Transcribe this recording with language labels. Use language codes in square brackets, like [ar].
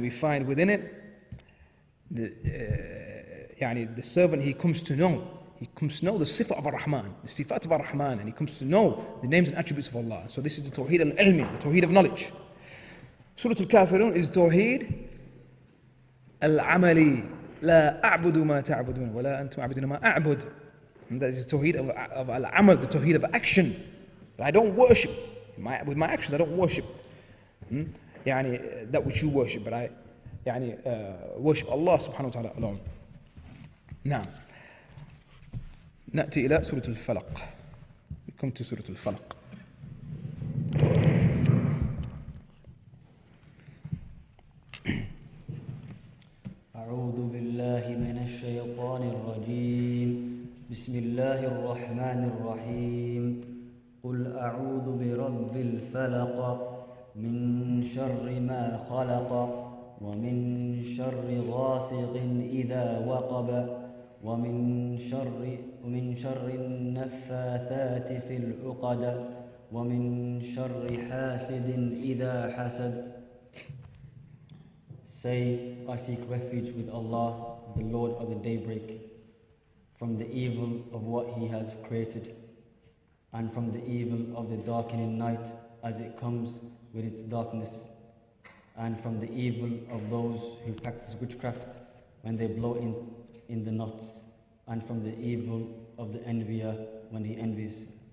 [en] We find within it the servant, he comes to know the sifat of Ar-Rahman, the sifat of Ar-Rahman, and he comes to know the names and attributes of Allah. So this is the Tawheed Al-Ilmi, the Tawheed of knowledge. Surah Al-Kafirun is Tawheed Al-Amali. [ar] لا أعبد ما تعبدون ولا أنتم أعبدون ما أعبد. [en] And that is the tawheed of al-amal, the tawheed of action. I don't worship with my actions. I don't worship that which you worship, but I worship Allah subhanahu wa ta'ala alone. [ar] Now, نأتي إلى سورة الفلق. [en] We come to سورة الفلق. [ar] أعوذ بالله من الشيطان الرجيم. بسم الله الرحمن الرحيم قل أعوذ برب الفلق من شر ما خلق ومن شر غاسق إذا وقب ومن شر النفاثات في العقد ومن شر حاسد إذا حسد. [en] Say, I seek refuge with Allah, the Lord of the Daybreak, from the evil of what he has created, and from the evil of the darkening night as it comes with its darkness, and from the evil of those who practice witchcraft when they blow in the knots, and from the evil of the envier when he envies.